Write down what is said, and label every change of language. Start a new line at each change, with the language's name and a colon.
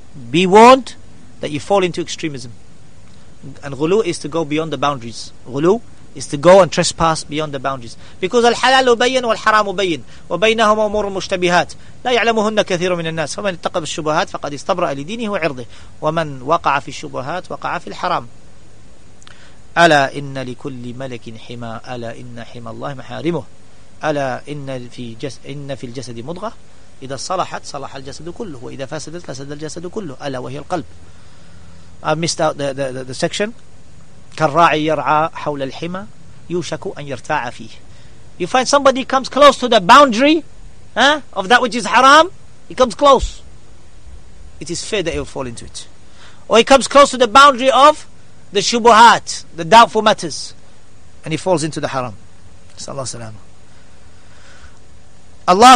English: Be warned that you fall into extremism. And ghulu is to go beyond the boundaries. Ghulu is to go and trespass beyond the boundaries. Because
Arabic: الحلال بين والحرام بين وبينهما أمور مشتبهات لا يعلمهن كثير من الناس فمن اتقى بالشبهات فقد استبرأ لدينه وعرضه ومن وقع في الشبهات وقع في الحرام. ألا إن لكل ملك حمى ألا إن حمى الله محارمه ألا إن في الجسد مضغة إذا صلحت صلح الجسد كله وإذا فسدت فسد الجسد كله ألا وهي القلب.
English: I missed out the section.
Arabic: كالراعي يرعى حول الحمى يوشك أن يرتاع فيه.
English: You find somebody comes close to the boundary of that which is haram, he comes close, it is fair that he will fall into it. Or he comes close to the boundary of the shubuhat, the doubtful matters, and he falls into the haram.
Arabic: Sallallahu alayhi wa sallam.